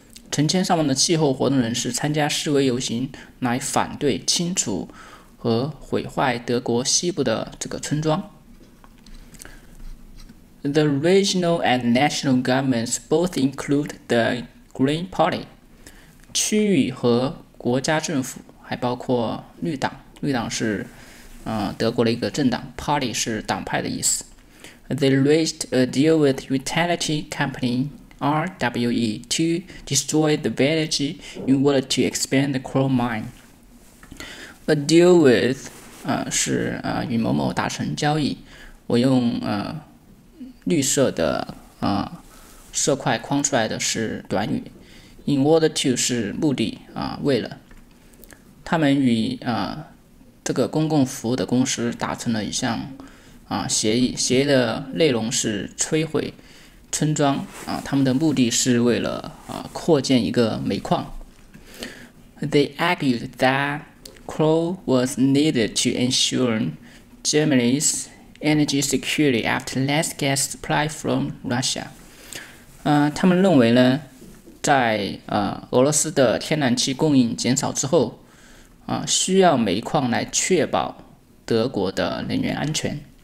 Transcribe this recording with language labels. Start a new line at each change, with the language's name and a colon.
Chinese: 成千上万的气候活动人士参加示威游行，来反对清除和毁坏德国西部的这个村庄。
English: The regional and national governments both include the Green Party.
Chinese: 区域和国家政府还包括绿党。绿党是、德国的一个政党。 Party 是党派的意思。
English: They reached a deal with utility company RWE to destroy the village in order to expand the coal mine. A deal with、
Chinese: 是、与某某达成交易。我用、绿色的、色块框出来的是短语
English: in order to
Chinese: 是目的、为了他们与、这个公共服务的公司达成了一项、协议，协议的内容是摧毁村庄、他们的目的是为了、扩建一个煤矿。
English: They argued that coal was needed to ensure Germany'senergy security after less gas supply from Russia.
Chinese: 他们认为呢，在、俄罗斯的天然气供应减少之后、需要煤矿来确保德国的能源安全。